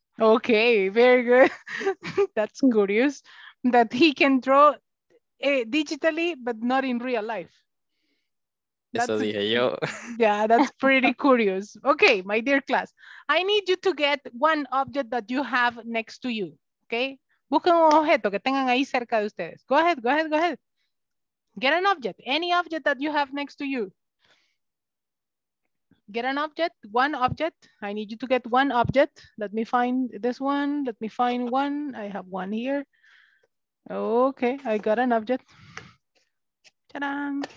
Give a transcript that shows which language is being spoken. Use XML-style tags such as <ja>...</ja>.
<en>Okay, very good. That's curious. That he can draw digitally, but not in real life.</en> <es>Eso dije yo.</es> <en>Yeah, that's pretty curious. Okay, my dear class, I need you to get one object that you have next to you.</en> <es>Okay, busquen un objeto que tengan ahí cerca de ustedes.</es> <en>Go ahead. Get an object, any object that you have next to you. Get an object, one object. I need you to get one object. Let me find this one. Let me find one. I have one here. Okay, I got an object. Ta-da!</en>